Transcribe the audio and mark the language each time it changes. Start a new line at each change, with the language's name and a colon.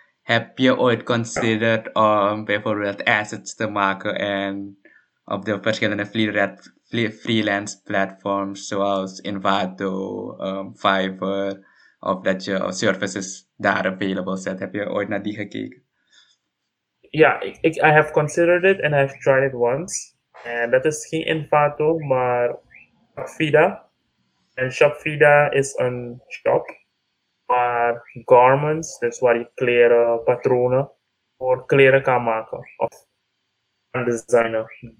Dutch: Heb je ooit considered om bijvoorbeeld assets te maken en op de verschillende freelance platforms zoals Envato, Fiverr, of dat je services daar available zet. Heb je ooit naar die gekeken? Ja, ik
English: have considered it and I've tried it once.
Dutch: En dat is geen Envato, maar Shopfida. En Shopfida is een shop waar garments, dus waar je kleren, patronen voor kleren kan maken. Of een designer.